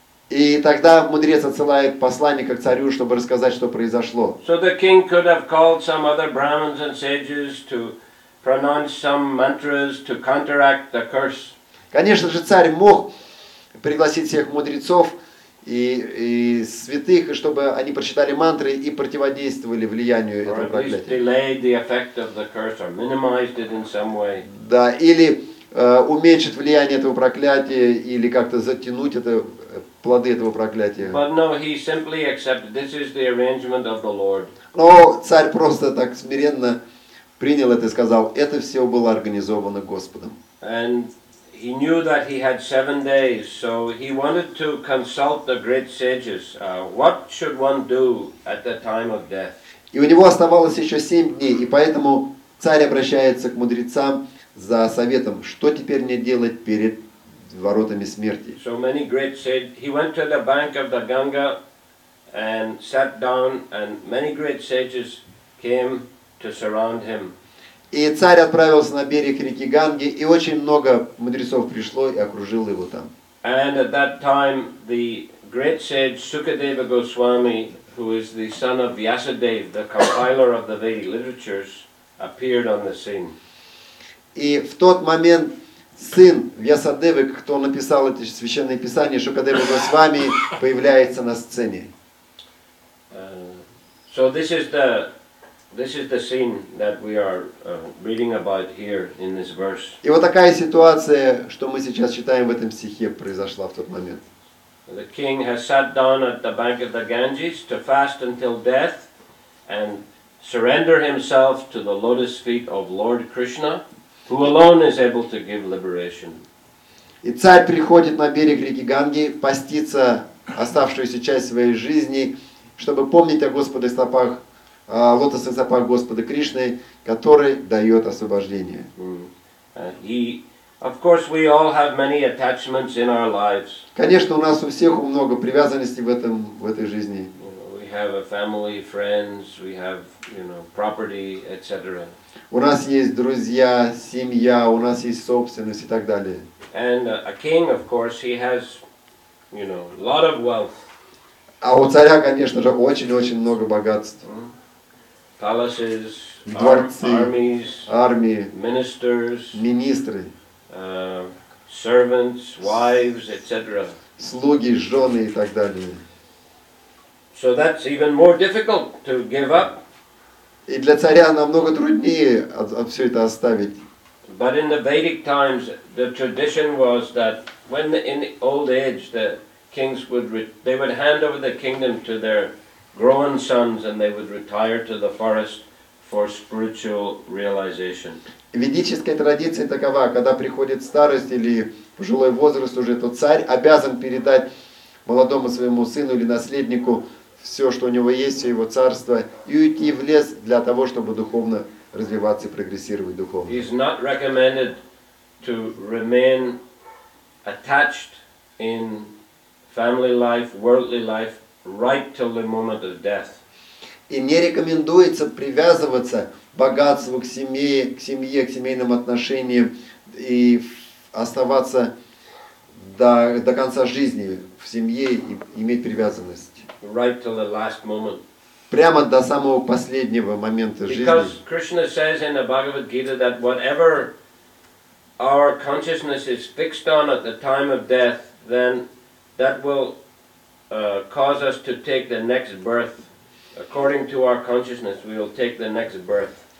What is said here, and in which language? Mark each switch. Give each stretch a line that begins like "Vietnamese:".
Russian: И тогда мудрец отсылает посланника к царю, чтобы рассказать, что произошло.
English: So the king could have called some other Brahmins and sages to pronounce some mantras to counteract the curse.
Russian: Конечно же, царь мог пригласить всех мудрецов и святых, чтобы они прочитали мантры и противодействовали влиянию этого проклятия. Да, или уменьшить влияние этого проклятия, или как-то затянуть это, плоды этого проклятия.
English: But no, he simply accepted. This is the arrangement of the Lord.
Russian: Но царь просто так смиренно принял это и сказал, это все было организовано Господом.
English: And he knew that he had 7 days, so he wanted to consult the great sages. What should one do at the time of death?
Russian: И у него оставалось еще 7 дней, и поэтому царь обращается к мудрецам за советом, что теперь мне делать перед воротами смерти.
English: So many great sages. He went to the bank of the Ganga and sat down, and many great sages came to surround him.
Russian: И царь отправился на берег реки Ганги, и очень много мудрецов пришло и окружило его там.
English: And at that time, the great sage Sukadeva Goswami, who is the son of Vyasadeva, the compiler of the Vedic literatures, appeared on the scene.
Russian: И в тот момент сын Вьясадевы, кто написал эти священные писания, Шукадева Госвами, появляется на сцене.
English: So this is the scene that we are reading about here in this verse.
Russian: И вот такая ситуация, что мы сейчас читаем в этом стихе, произошла в тот момент.
English: The king has sat down at the bank of the Ganges to fast until death and surrender himself to the lotus feet of Lord Krishna, who alone is able to give liberation.
Russian: И царь приходит на берег реки Ганги поститься оставшуюся часть своей жизни, чтобы помнить о Господе стопах, о лотосных стопах Господа Кришны, который дает освобождение.
English: Of course, we all have many attachments in our lives.
Russian: Конечно, у нас у всех много привязанностей в этой жизни.
English: We have a family, friends, we have, you know, property, etc.
Russian: У нас есть друзья, семья, у нас есть собственность и так далее.
English: And a king, of course, he has, you know, a lot of wealth.
Russian: А у царя, конечно же, очень-очень много богатств.
English: Palaces,
Russian: дворцы, армии, министры,
English: servants, wives, etc.
Russian: Слуги, жены и так далее.
English: So that's even more difficult to give up.
Russian: И для царя намного труднее все это оставить.
English: But in the Vedic times, the tradition was that when in old age the kings would hand over the kingdom to their grown sons and they would retire to the forest for spiritual realization.
Russian: Ведическая традиция такова, когда приходит старость или пожилой возраст уже, то царь обязан передать молодому своему сыну или наследнику все, что у него есть, все его царство, и уйти в лес для того, чтобы духовно развиваться и прогрессировать духовно.
English: He is not recommended to remain attached in family life, worldly life, right till the moment of death.
Russian: И не рекомендуется привязываться к богатству, к семье, к семейным отношениям и оставаться до конца жизни в семье иметь привязанность.
English: Right till the last moment.
Russian: Прямо до самого последнего момента жизни.
English: Because Krishna says in the Bhagavad Gita that whatever our consciousness is fixed on at the time of death, then that will cause us to take the next birth. According to our consciousness, we will take the next birth.